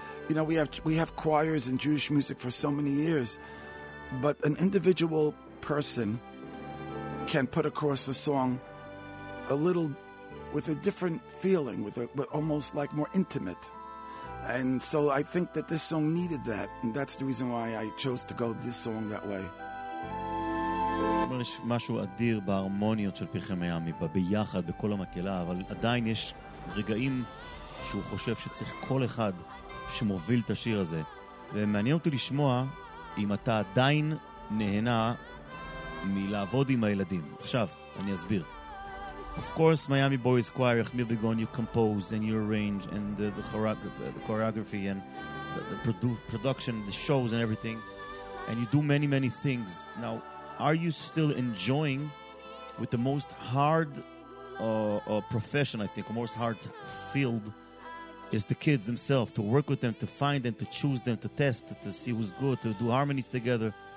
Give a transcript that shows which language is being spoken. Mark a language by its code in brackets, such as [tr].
[en] You know, we have choirs in Jewish music for so many years, but an individual person can put across a song a little with a different feeling, with almost like more intimate. And so I think that this song needed that, and that's the reason why I chose to go this song that way. [he] יש משהו אדיר בהרמוניות של פיחי מיאמי, ביחד, בכל המקהלה, אבל עדיין יש רגעים שהוא חושב שצריך כל אחד שמוביל את השיר הזה. ומעניין אותי לשמוע אם אתה עדיין נהנה מלעבוד עם הילדים. עכשיו, אני אסביר. [en] Of course, Miami Boys Choir, יחמיאל ביגון, you compose and you arrange and the choreography and the production, the shows and everything, and you do many, many things. Now, are you still enjoying with the most hard profession, I think, the most hard field is the kids themselves, to work with them, to find them, to choose them, to test, to see who's good, to do harmonies together.